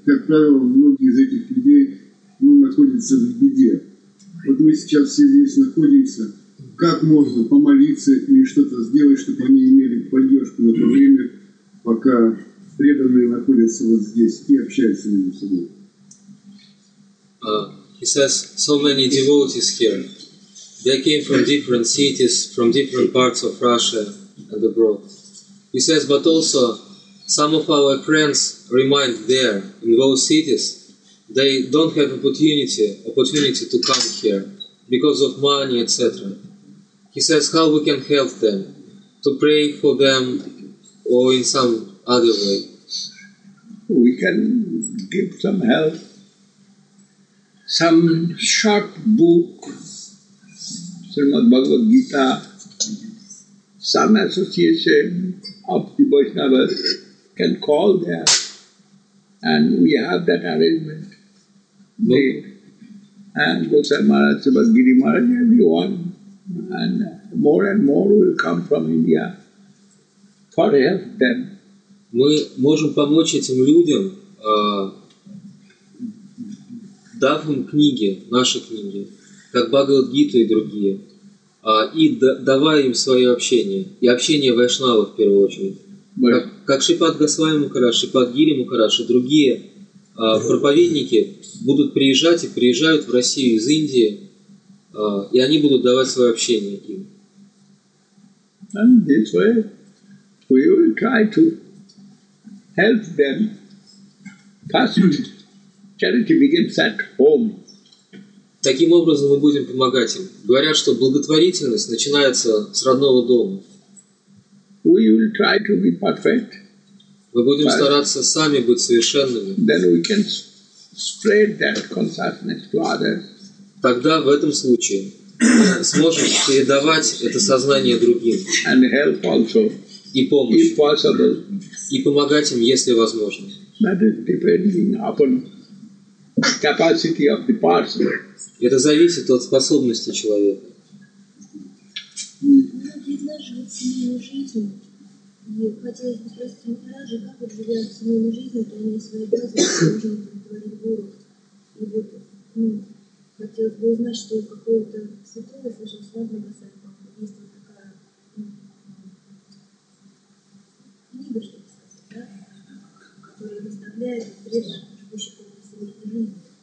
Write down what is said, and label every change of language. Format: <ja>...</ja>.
<ru>Как правило, многие из этих людей находятся в беде. Вот мы сейчас все здесь находимся. Как можно помолиться или что-то сделать, чтобы они имели поддержку на то время, пока преданные находятся вот здесь и общаются между собой?</ru> <en>He says, so many devotees here. They came from different cities, from different parts of Russia and abroad. He says, but also some of our friends remained there in those cities. They don't have opportunity to come here because of money, etc. He says, how we can help them? To pray for them or in some other way? we can give some help. Some short book, Srimad Bhagavad Gita, some association of the Vaishnavas can call there, and we have that arrangement. They, and Gosai Maharaj, Srimad Giri Maharaj, everyone, and more will come from India for help them.</en> <ru>Мы можем помочь этим людям, дав им книги, наши книги, как Бхагавад Гиту и другие, и давая им свое общение, и общение вайшнава в первую очередь. Как Шипад Госвами Мухарадж, Шипад Гири Мухарадж и другие проповедники будут приезжать и приезжают в Россию из Индии, и они будут давать свое общение им.</ru> <en>And this way we will try to help them first. Charity begins at home.</en> <ru>Таким образом мы будем помогать им. Говорят, что благотворительность начинается с родного дома.</ru> <en>We will try to be perfect.</en> <ru>Мы будем стараться сами быть совершенными.</ru> <en>Then we can spread that consciousness to others.</en> <ru>Тогда в этом случае сможем передавать это сознание другим.</ru> <en>And help also.</en> <ru>И помощь.</ru> <en>If possible.</en> <ru>И помогать им, если возможно. That is depending upon capacity of the person. Это зависит от способности человека. Мы предложили семейную жизнь, и хотелось бы спросить у Махараджа, как вот живя в семейной жизни, то они свои обязанности должны удовлетворить Гуру. И вот, хотелось бы узнать, что у какого-то святого слышал слабый касательно, есть вот такая книга, чтобы сказать, да, которая доставляет прежде живущих в семейной жизни.</ru>